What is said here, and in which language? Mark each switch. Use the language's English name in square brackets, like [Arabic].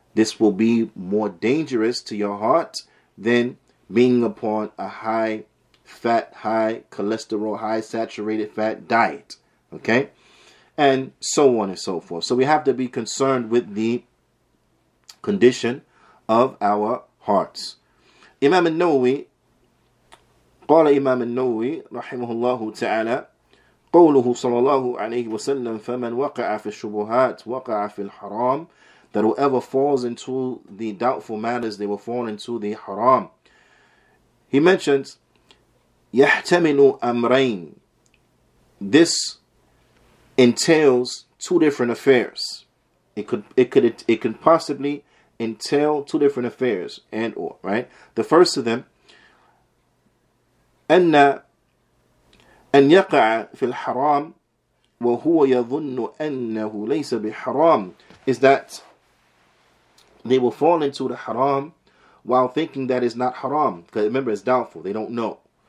[English] This will be more dangerous to your heart than being upon a high fat, high cholesterol, high saturated fat diet. Okay? And so on and so forth. So we have to be concerned with the condition of our hearts. [Arabic] Imam an-Nawawi, qala Imam an-Nawawi rahimahullahu ta'ala, قوله صلى الله عليه وسلم فمن وقع في الشبهات وقع في الحرام. [English] That whoever falls into the doubtful matters, they will fall into the haram. He mentions [Arabic] يحتمل أمرين. [English] This entails two different affairs. It could possibly entail two different affairs and or, right? The first of them [Arabic] أن أن يقع في الحرام وهو يظن أنه ليس بحرام, [English] is that they will fall into the haram while thinking that is not haram. Because remember, it's doubtful. They don't know.